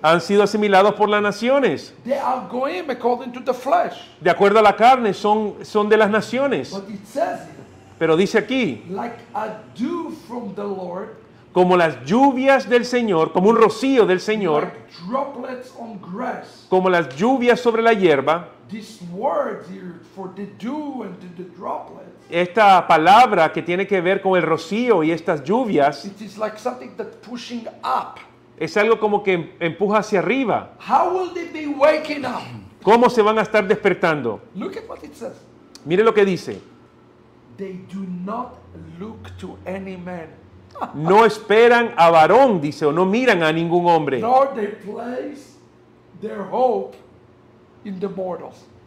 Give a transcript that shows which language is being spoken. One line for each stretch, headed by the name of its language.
Spanish: Han sido asimilados por las naciones.
English: They are goyim according to the flesh.
Spanish: De acuerdo a la carne, son de las naciones.
English: But it says it.
Spanish: Pero dice aquí.
English: Like a dew from the Lord.
Spanish: Como las lluvias del Señor, como un rocío del Señor,
English: like droplets on grass,
Spanish: como las lluvias sobre la hierba,
English: this word here for the dew and the droplets,
Spanish: esta palabra que tiene que ver con el rocío y estas lluvias,
English: it is like something that pushing up.
Spanish: Es algo como que empuja hacia arriba.
English: How will they be waking up?
Spanish: ¿Cómo se van a estar despertando?
English: Look at what it says.
Spanish: Mire lo que dice.
English: They do not look to any man.
Spanish: No esperan a varón, dice, o no miran a ningún hombre.
English: Nor they place their hope in the mortals.